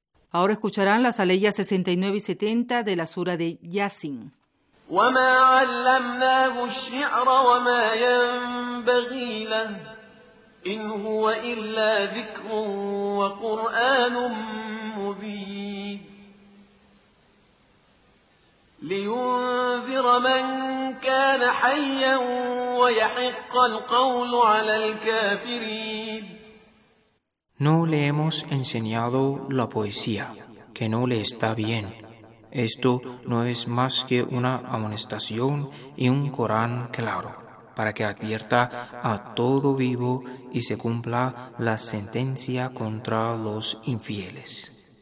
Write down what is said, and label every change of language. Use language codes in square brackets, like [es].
[es] Ahora escucharán las aleyas 69 y 70 de la sura de Yasin. [ar] وما علمناه الشعر وما ينبغي له إن هو إلا ذكر وقرآن مبين لينذر من كان حيا ويحق القول على الكافرين. [es] No le hemos enseñado la poesía, que no le está bien. Esto no es más que una amonestación y un Corán claro, para que advierta a todo vivo y se cumpla la sentencia contra los infieles.